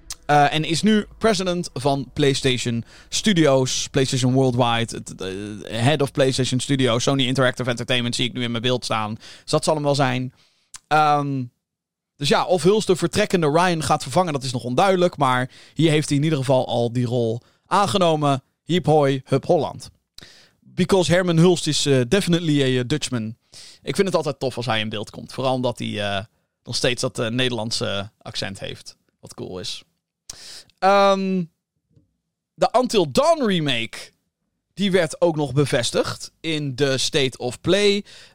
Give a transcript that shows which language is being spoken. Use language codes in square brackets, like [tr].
[nl] En is nu president van PlayStation Studios, PlayStation Worldwide, [en] head of PlayStation Studios, [nl] Sony Interactive Entertainment zie ik nu in mijn beeld staan. Dus dat zal hem wel zijn. Dus ja, of Hulst de vertrekkende Ryan gaat vervangen, dat is nog onduidelijk. Maar hier heeft hij in ieder geval al die rol aangenomen. Hiep hoi, hup Holland. [en] Because Herman Hulst is definitely a Dutchman. [nl] Ik vind het altijd tof als hij in beeld komt. Vooral omdat hij nog steeds dat Nederlandse accent heeft, wat cool is. De Until Dawn remake Die werd ook nog bevestigd in de State of Play.